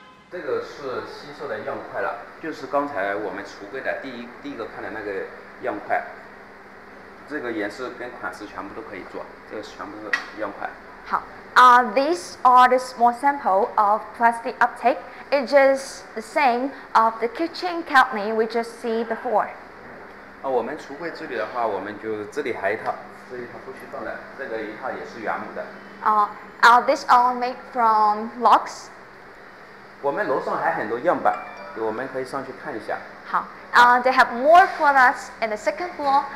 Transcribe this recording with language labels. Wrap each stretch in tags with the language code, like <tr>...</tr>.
<zh>这个是吸收的样块了，就是刚才我们橱柜的第一个看的那个样块，这个颜色跟款式全部都可以做，这个全部是样块。好啊、</zh> <en>these are the small sample of plastic uptake. It's just the same of the kitchen cabinet we just see before.</en> <zh>啊、我们橱柜这里的话，我们就这里还一套，这一套不需放的，这个一套也是原木的。</zh> <en>these are made from logs.</en> <zh>我们楼上还很多样板，我们可以上去看一下。好、</zh> <en>they have more products in the second floor.</en>